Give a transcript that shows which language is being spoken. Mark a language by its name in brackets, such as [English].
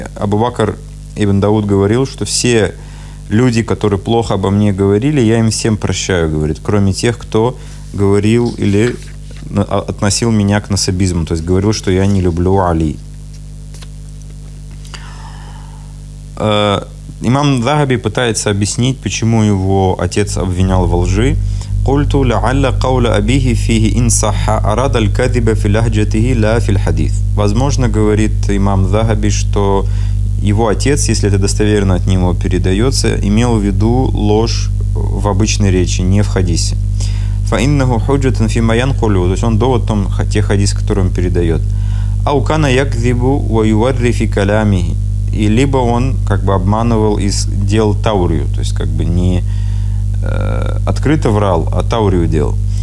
[Russian] Абу Бакр ибн Дауд говорил, что все люди, которые плохо обо мне говорили, я им всем прощаю, говорит, кроме тех, кто говорил или относил меня к насабизму, то есть говорил, что я не люблю Али. Имам Захаби пытается объяснить, почему его отец обвинял во лжи. [Arabic] قلت لعل قول أبيه فيه إن صح أراد الكذب في لهجته لا في الحديث. [Russian] Возможно, говорит имам Захаби, что его отец, если это достоверно от него передается, имел в виду ложь в обычной речи, не в хадисе. [Arabic] فإنه حجة في ما ينقله, [Russian] то есть он довод там тех хадис, которые он передает. [Arabic] أو كان يكذب ويوري في كلامه, [Russian] и либо он как бы обманывал и делал таурию, то есть как бы не открыто врал, а таурию делал.